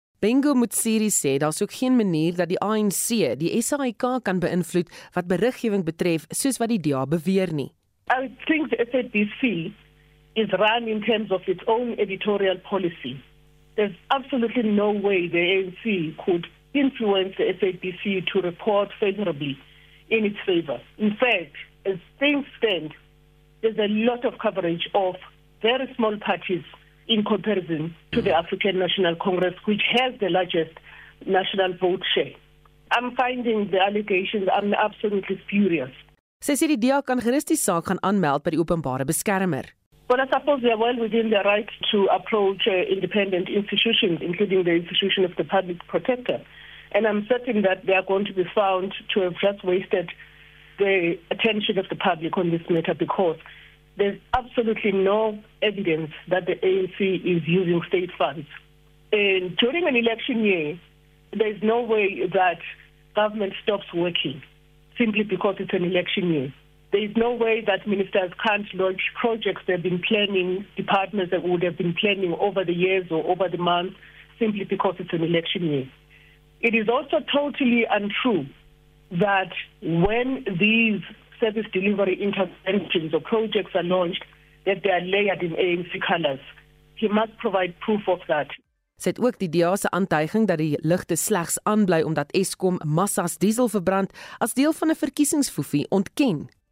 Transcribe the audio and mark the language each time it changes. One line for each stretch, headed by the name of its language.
Afrikaans: Bengu Mutsiri sê daar's ook geen manier dat die ANC die SAIK kan beïnvloed wat beriggewing betref soos wat die DA beweer nie.
English: I think the SABC is run in terms of its own editorial policy. There's absolutely no way the ANC could influence the SABC to report favorably in its favor. In fact, as things stand, there's a lot of coverage of very small parties in comparison to the African National Congress, which has the largest national vote share. I'm finding the allegations, I'm absolutely furious.
Afrikaans: Sy sê die DA kan gerus die saak gaan aanmeld by die openbare beskermer.
English: Well, I suppose they are well within their right to approach independent institutions, including the institution of the public protector. And I'm certain that they are going to be found to have just wasted the attention of the public on this matter, because there's absolutely no evidence that the ANC is using state funds. And during an election year, there's no way that government stops working simply because it's an election year. There's no way that ministers can't launch projects they've been planning, departments that would have been planning over the years or over the months, simply because it's an election year. It is also totally untrue that when these service delivery interventions or projects are launched, that they are layered in ANC colors. He must provide proof of that.
Afrikaans: Sy het ook die DA se aantuiging dat die ligte slegs aanbly omdat Eskom massas diesel verbrand as deel van 'n verkiesingsfoefie ontken.